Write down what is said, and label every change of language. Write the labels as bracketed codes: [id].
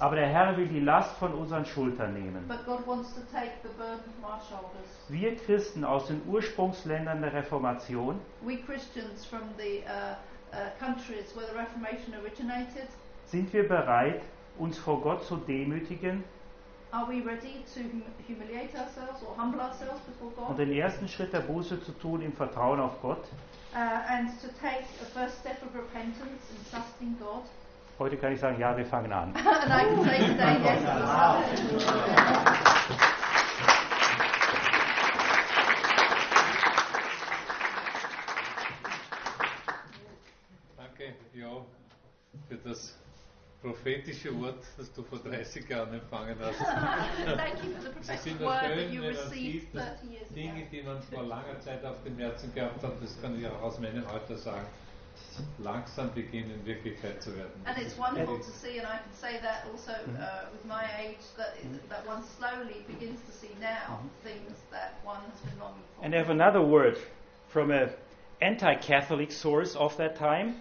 [de] Aber der Herr will die Last von unseren Schultern nehmen. [en] But God wants to take the burden from our shoulders. [de] Wir Christen aus den Ursprungsländern der Reformation. [en] We Christians from the countries where the Reformation originated. [de] Sind wir bereit, uns vor Gott zu demütigen? [en] Are we ready to humiliate ourselves or humble ourselves before God? [de] Und den ersten Schritt der Buße zu tun im Vertrauen auf Gott? [en] And to take a first step of repentance and trusting God? [de] Heute kann ich sagen, ja, wir fangen an. [en] And I can say today, yes, we're starting. [de] Danke, Jo. für das prophetische Wort, das du vor 30 Jahren empfangen hast. [en] Thank you for the prophetic word that you received 30 years ago. [de] Dinge, die man vor langer Zeit auf dem Herzen gehabt hat, das kann ich auch aus meinem Alter sagen, langsam beginnen in Wirklichkeit zu werden. [en] And it's wonderful to see, and I can say that also with my age, that one slowly begins to see now things that one has been longing for. And I have another word from a anti-Catholic source of that time.